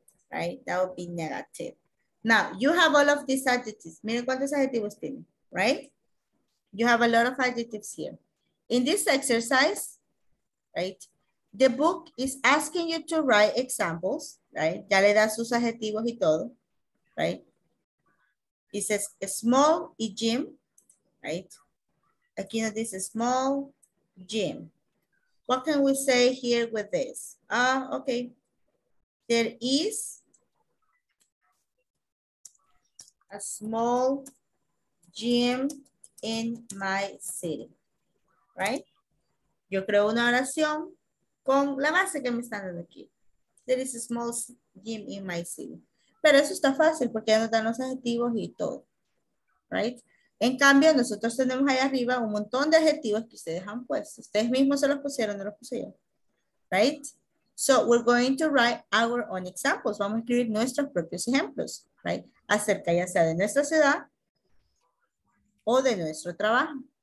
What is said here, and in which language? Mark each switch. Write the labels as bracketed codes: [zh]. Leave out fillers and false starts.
[en] Right, that would be negative. Now, you have all of these adjectives. [es] Miren cuántos adjetivos tienen, [en] right? You have a lot of adjectives here. In this exercise, right, the book is asking you to write examples, right? [es] Ya le da sus adjetivos y todo, right? [en] It says small y gym, right? [es] Aquí nos dice [en] small gym. What can we say here with this? Okay. There is a small gym in my city, right? [es] Yo creo una oración con la base que me están dando aquí. [en] There is a small gym in my city. [es] Pero eso está fácil porque ya nos dan los adjetivos y todo, right? En cambio, nosotros tenemos ahí arriba un montón de adjetivos que ustedes han puesto. Ustedes mismos se los pusieron, no los puse yo. [en] Right? So, we're going to write our own examples. [es] Vamos a escribir nuestros propios ejemplos. Right? Acerca ya sea de nuestra ciudad o de nuestro trabajo.